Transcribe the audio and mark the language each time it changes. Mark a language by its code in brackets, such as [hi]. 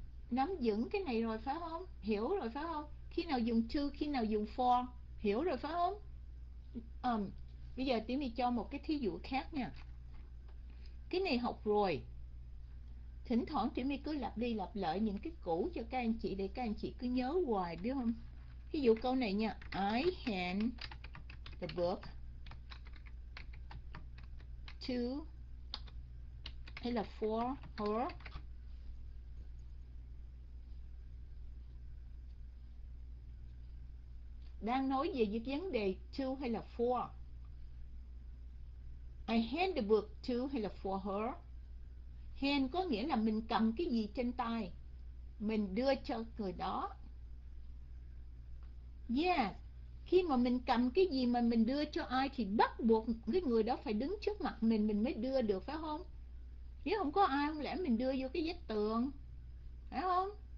[vi] Nắm vững cái này rồi phải không? Hiểu rồi phải không? Khi nào dùng to, khi nào dùng for, hiểu rồi phải không? Bây giờ tí mình cho một cái thí dụ khác nha. Cái này học rồi. Thỉnh thoảng tí mình cứ lặp đi lặp lại những cái cũ cho các anh chị để các anh chị cứ nhớ hoài biết không? Ví dụ câu này nha. [en] I hand the book to [vi] hay là [en] for her. [vi] Đang nói về những vấn đề to hay là for? [en] I hand the book to [vi] hay là [en] for her? [vi] Hand có nghĩa là mình cầm cái gì trên tay, mình đưa cho người đó. Yeah, khi mà mình cầm cái gì mà mình đưa cho ai thì bắt buộc cái người đó phải đứng trước mặt mình mới đưa được phải không? Nếu không có ai, không lẽ mình đưa vô cái vách tường, phải không?